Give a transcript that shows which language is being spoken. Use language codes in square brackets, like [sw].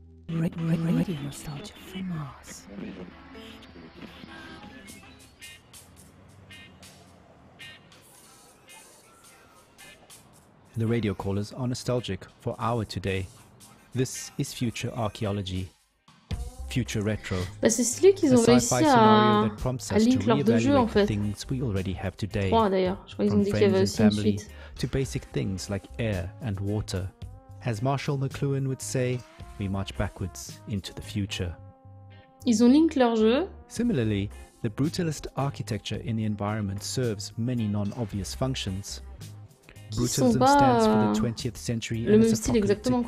[en] Radio Nostalgia from Mars. The radio callers are nostalgic for our today. This is Future Archaeology. Future Retro. [fr] Bah c'est celui qu'ils ont réussi à link leurs deux jeux en fait. [en] Things we already have today. [fr] Trois d'ailleurs, je crois qu'ils ont dit qu'il y avait aussi une suite. [en] To basic things like air and water. As Marshall McLuhan would say, we march backwards into the future. [fr] Ils ont link leurs jeux. [en] Similarly, the brutalist architecture in the environment serves many non-obvious functions. Brutalism stands for the 20th century and its apocalyptic